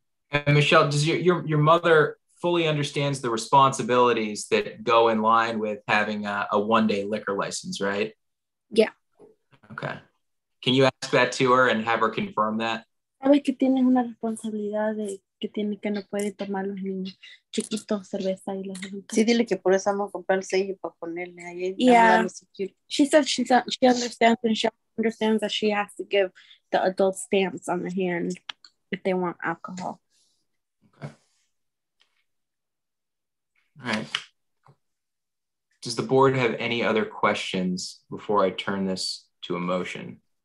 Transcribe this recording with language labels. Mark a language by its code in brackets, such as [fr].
[en] And Michelle, does your mother fully understands the responsibilities that go in line with having a one-day liquor license, right? Yeah. Okay. Can you ask that to her and have her confirm that? [es] Sabe que tiene una responsabilidad de que tiene que no puede tomar los niños chiquitos cerveza y los adultos. Sí, dile que por eso vamos a comprar el sello para ponerle ahí. [en] Yeah. She understands and she understands that she has to give the adult stamps on the hand if they want alcohol. All right. Does the board have any other questions before I turn this to a motion?